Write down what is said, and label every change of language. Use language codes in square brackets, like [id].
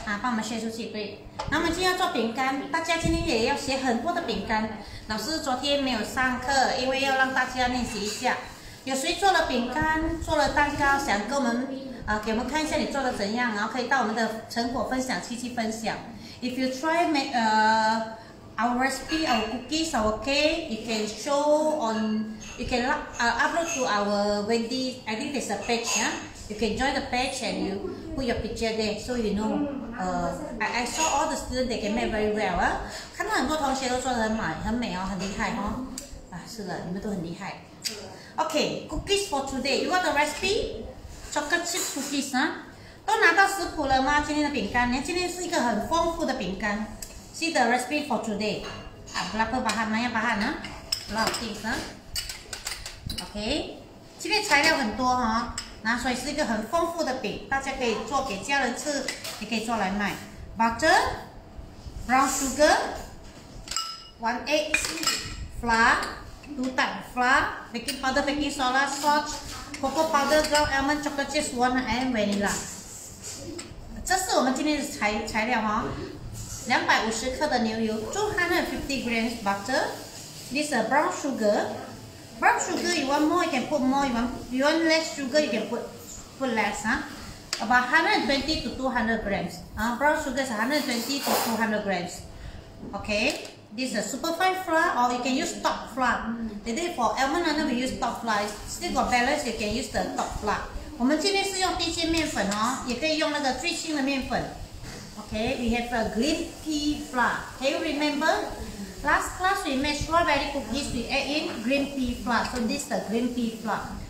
[zh] 啊，帮我们 share 出去，对。那么今天要做饼干，大家今天也要写很多的饼干。老师昨天没有上课，因为要让大家练习一下。有谁做了饼干，做了蛋糕，想跟我们？给我们看一下你做的怎样，然后可以到我们的成果分享区去分享。 [en] If you try make our recipe, our cookies, our cake, you can show on, you can upload to our Wendy. I think there's a page, yeah. You can join the page and you put your picture there, so you know. I saw all the students they can make very well. [zh] 看到很多同学都做得很美哦，很厉害哦。啊，是的，你们都很厉害。 [en] Okay, cookies for today. You want the recipe?Chocolate chip cookies, huh? [zh] 都拿到食谱了吗？今天的饼干，你看今天是一个很丰富的饼干。 [en] See the recipe for today. [ms] Berapa bahan? Banyak bahan, ha? [en] A lot of things, ha? Okay. [zh] 今天材料很多哈，那所以是一个很丰富的饼，大家可以做给家人吃，也可以做来卖。 [en] Butter, brown sugar, one egg, flour, two type of flour, baking powder, baking soda, salt, cocoa powder, ground almond, chocolate chips, walnut and vanilla. [zh] 这是我们今天的 材料哈、哦、250克的牛油 [en] 250 grams butter. This is brown sugar. Brown sugar, you want more, you can put more. You want less sugar, you can put less.、Huh? About 120 to 200 grams.、Brown sugar is 120 to 200 grams. Okay. This is super fine flour, or you can use top flour. Today for almond honey, we use top flour. Still got balance, you can use the top flour. [zh] 我们今天是用低筋面粉哦，也可以用那个最新的面粉。 [en] Okay, we have a green pea flour. Can you remember? Last class we made strawberry cookies, we add in green pea flour. So this is the green pea flour.